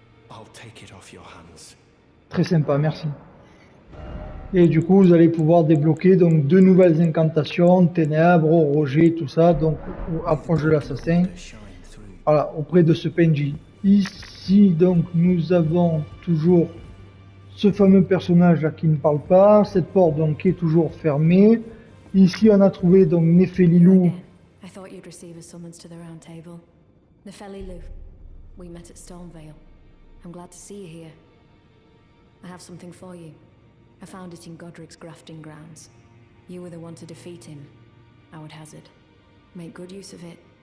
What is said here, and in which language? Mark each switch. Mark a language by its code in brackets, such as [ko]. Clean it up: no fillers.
[en] I'll take it off your hands. [fr] Très sympa, merci. Et du coup, vous allez pouvoir débloquer donc deux nouvelles incantations, ténèbres, roger, tout ça, donc approche de l'assassin. Voilà, auprès de ce PNJ. Ici, donc, nous avons toujours ce fameux personnage là qui ne parle pas, cette porte donc qui est toujours fermée. Ici, on a trouvé donc Nefelilou. [en] I thought you'd receive a summons to the round table. Nefelilou, we met at Stormvale. I'm glad to see you here. I have something for you. I found it in Godric's grafting grounds. You were the one to defeat him, I would hazard. Make good use of it.